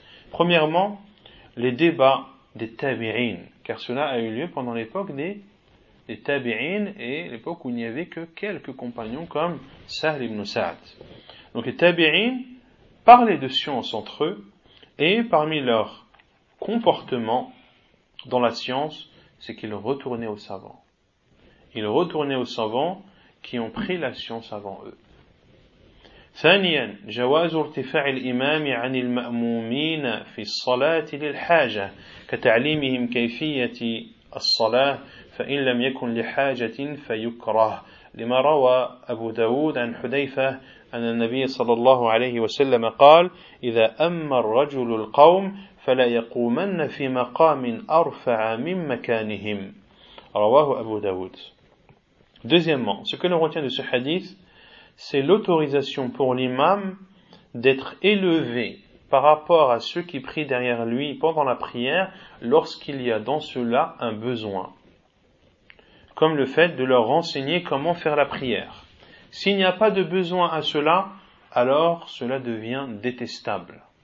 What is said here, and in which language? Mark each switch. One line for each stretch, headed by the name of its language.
French: Premièrement, les débats des tabi'in, car cela a eu lieu pendant l'époque des tabi'in et l'époque où il n'y avait que quelques compagnons comme Sahl ibn Sa'd. Donc les tabi'in parlaient de science entre eux et parmi leur comportement dans la science, c'est qu'ils retournaient aux savants. Ils retournaient aux savants qui ont pris la science avant eux.
Arabic: ثانيا جواز ارتفاع الإمام عن المأمومين في الصلاة للحاجة كتعليمهم كيفية الصلاة فإن لم يكن لحاجة فيكره لما روى أبو داود عن حذيفة أن النبي صلى الله عليه وسلم قال إذا أمى الرجل القوم فلا يقومن في مقام أرفع من مكانهم رواه أبو داود.
French: Deuxièmement, ce que l'on retient de ce hadith, c'est l'autorisation pour l'imam d'être élevé par rapport à ceux qui prient derrière lui pendant la prière lorsqu'il y a dans cela un besoin. Comme le fait de leur renseigner comment faire la prière. S'il n'y a pas de besoin à cela, alors cela devient détestable.